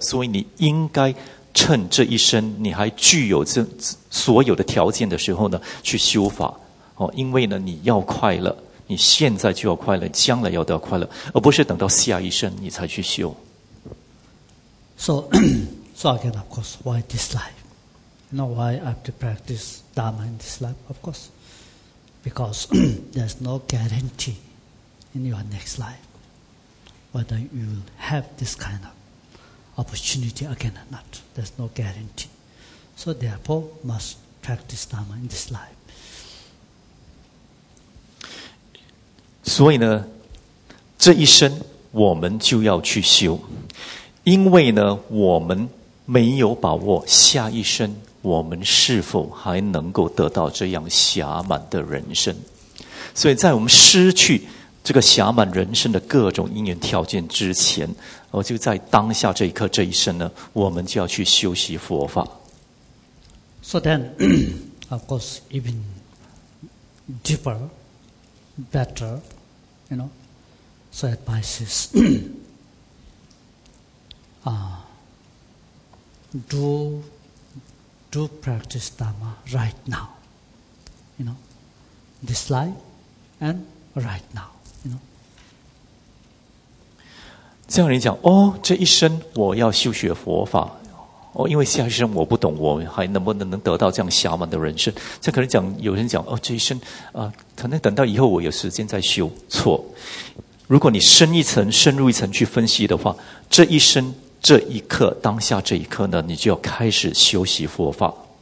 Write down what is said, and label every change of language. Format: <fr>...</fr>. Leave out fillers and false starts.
<zh>所以你应该趁这一生你还具有这所有的条件的时候呢，去修法。因为呢，你要快乐，你现在就要快乐，将来要得快乐，而不是等到下一生你才去修。</zh> <en>So again, of course, why this life? You know why I have to practice Dharma in this life? Of course, because there's no guarantee in your next life whether you will have this kind of opportunity again or not. There's no guarantee. So therefore, must practice Dharma in this life.</en> <zh>所以呢，这一生我们就要去修，因为呢，我们没有把握下一生我们是否还能够得到这样暇满的人生。所以在我们失去这个暇满人生的各种因缘条件之前，我就在当下这一刻这一生呢，我们就要去修习佛法。</zh> <en>So then, of course, even deeper. Better, you know. So advice is do practice Dharma right now, you know, this life and right now, you know.</en> <zh>这样人讲哦，这一生我要修学佛法。哦，因为下一生我不懂，我还能不能得到这样暇满的人生？这可能讲，有人讲哦，这一生可能等到以后我有时间再修。错，如果你深一层、深入一层去分析的话，这一生、这一刻、当下这一刻呢，你就要开始修习佛法。</zh>